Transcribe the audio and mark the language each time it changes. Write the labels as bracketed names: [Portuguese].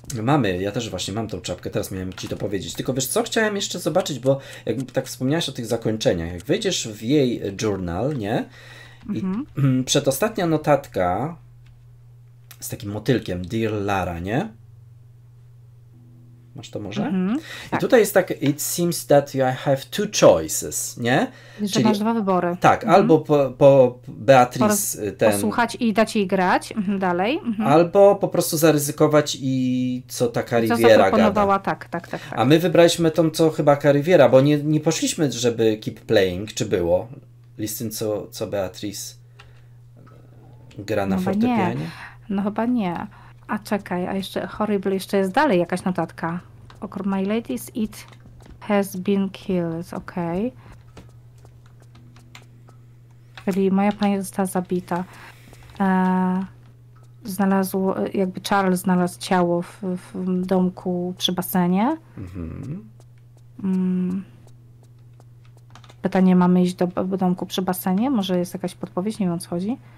[Polish] Mamy, ja też właśnie mam tą czapkę, teraz miałem ci to powiedzieć. Tylko wiesz co, chciałem jeszcze zobaczyć, bo jakby tak wspomniałaś o tych zakończeniach. Jak wejdziesz w jej journal, nie? I przedostatnia notatka z takim motylkiem, Dear Lara, nie? Masz to może? Mm-hmm, i tutaj jest tak, [English] it seems that you have two choices, [Polish] nie? Że czyli masz dwa wybory. Tak, albo po Beatrice posłuchać i dać jej grać dalej. Albo po prostu zaryzykować i co ta Cariviera gada. Co zaproponowała, tak. A my wybraliśmy tą, co chyba Cariviera, bo nie poszliśmy, żeby [English] keep playing, [Polish] czy było? Listen, co Beatrice gra na fortepianie? No chyba nie. A czekaj, a jeszcze horrible, jeszcze jest dalej jakaś notatka. [English] My lady's it has been killed, okej. Okay. [Polish] Czyli moja pani została zabita. Znalazł, jakby Charles znalazł ciało w domku przy basenie. Pytanie, mamy iść do domku przy basenie? Może jest jakaś podpowiedź, nie wiem o co chodzi.